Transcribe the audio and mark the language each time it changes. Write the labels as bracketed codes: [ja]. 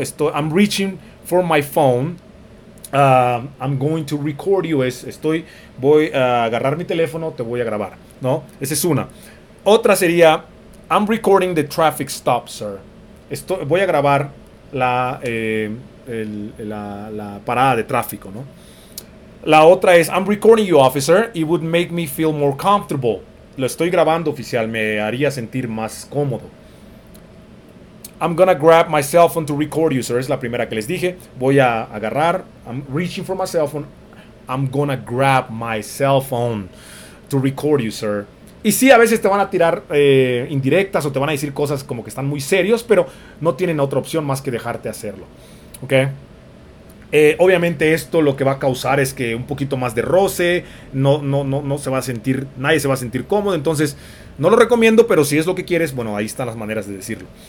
[en] I'm reaching for my phone, I'm going to record you. [es] Voy a agarrar mi teléfono, te voy a grabar, ¿no? Esa es una. Otra sería, [en] I'm recording the traffic stop, sir. [es] Voy a grabar la parada de tráfico, ¿no? La otra es, [en] I'm recording you, officer. It would make me feel more comfortable. [es] Lo estoy grabando, oficial. Me haría sentir más cómodo. [en] I'm gonna grab my cell phone to record you, sir. [es] Es la primera que les dije. Voy a agarrar. [en] I'm reaching for my cell phone. I'm gonna grab my cell phone to record you, sir. [es] Y sí, a veces te van a tirar indirectas o te van a decir cosas como que están muy serios, pero no tienen otra opción más que dejarte hacerlo. ¿Ok? Obviamente esto lo que va a causar es que un poquito más de roce, no se va a sentir, nadie se va a sentir cómodo, entonces no lo recomiendo, pero si es lo que quieres, bueno, ahí están las maneras de decirlo.